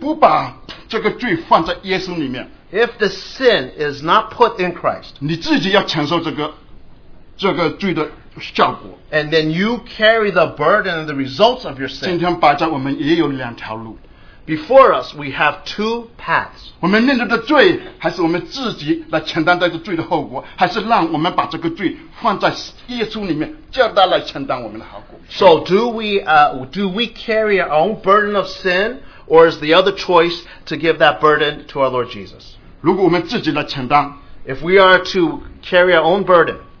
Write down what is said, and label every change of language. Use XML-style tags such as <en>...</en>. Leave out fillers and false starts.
<zh>如果你不把这个罪放在耶稣里面,</zh> <en>if the sin is not put in Christ,</en> <zh>你自己要承受这个罪的效果,</zh> <en>and then you carry the burden and the results of your sin.</en> <zh>今天摆在我们也有两条路,</zh> <en>before us, we have two paths.</en> <zh>我们面对的罪还是我们自己来承担这个罪的后果, 还是让我们把这个罪放在耶稣里面, 叫他来承担我们的后果。</zh> <en>So do we carry our own burden of sin, or is the other choice to give that burden to our Lord Jesus?</en> <zh>如果我们自己来承担,</zh> <en>if we are to carry our own burden,</en>